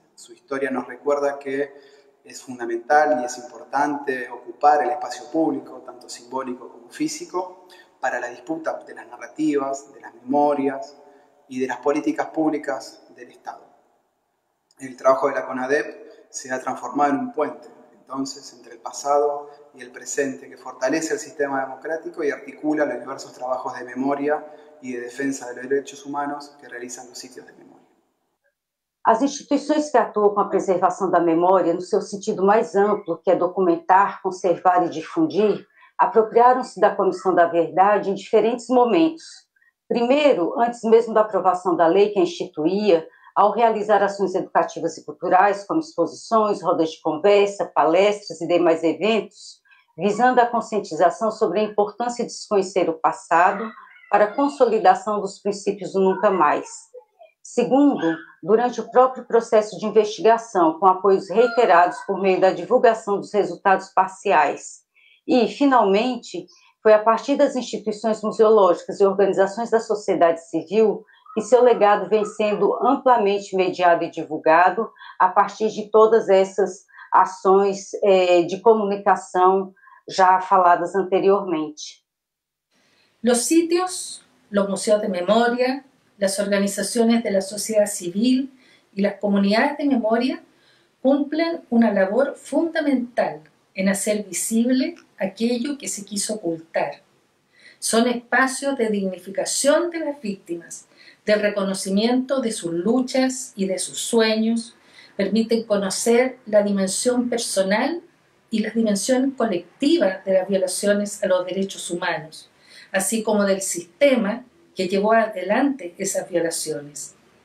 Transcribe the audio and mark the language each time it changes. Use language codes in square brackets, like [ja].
[es] Su historia nos recuerda que es fundamental y es importante ocupar el espacio público, tanto simbólico como físico, para la disputa de las narrativas, de las memorias y de las políticas públicas del Estado. El trabajo de la CONADEP se ha transformado en un puente, entonces, entre el pasado y el presente, que fortalece el sistema democrático y articula los diversos trabajos de memoria y de defensa de los derechos humanos que realizan los sitios de memoria. [pt] As instituições que atuam com a preservação da memória, no seu sentido mais amplo, que é documentar, conservar e difundir, apropriaram-se da Comissão da Verdade em diferentes momentos. Primeiro, antes mesmo da aprovação da lei que a instituía, ao realizar ações educativas e culturais, como exposições, rodas de conversa, palestras e demais eventos, visando a conscientização sobre a importância de se conhecer o passado para a consolidação dos princípios do Nunca Mais. Segundo, durante o próprio processo de investigação, com apoios reiterados por meio da divulgação dos resultados parciais. E, finalmente, foi a partir das instituições museológicas e organizações da sociedade civil que seu legado vem sendo amplamente mediado e divulgado a partir de todas essas ações de comunicação já faladas anteriormente. [es] Los sitios, los museos de memoria, las organizaciones de la sociedad civil y las comunidades de memoria cumplen una labor fundamental en hacer visible aquello que se quiso ocultar. Son espacios de dignificación de las víctimas, del reconocimiento de sus luchas y de sus sueños, permiten conocer la dimensión personal y la dimensión colectiva de las violaciones a los derechos humanos, así como del sistema que llevó adelante esas violaciones.